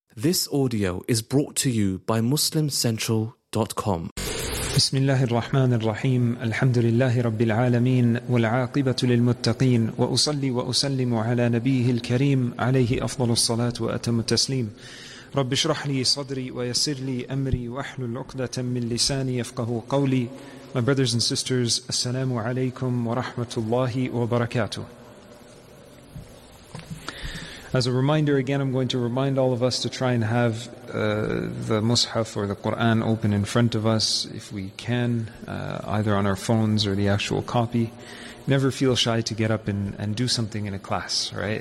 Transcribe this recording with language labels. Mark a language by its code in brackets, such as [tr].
[en] This audio is brought to you by MuslimCentral.com. [ar] بسم الله الرحمن الرحيم الحمد لله رب العالمين والعاقبة للمتقين وأصلي وأسلم على نبيه الكريم عليه أفضل الصلاة وأتم التسليم رب اشرح لي صدري ويسر لي أمري واحلل عقدة من لساني يفقه قولي. [en] My brothers and sisters, [ar] السلام عليكم ورحمة الله وبركاته. [en] As a reminder, again, I'm going to remind all of us to try and have the Mus'haf or the Qur'an open in front of us, if we can, either on our phones or the actual copy. Never feel shy to get up and do something in a class, right?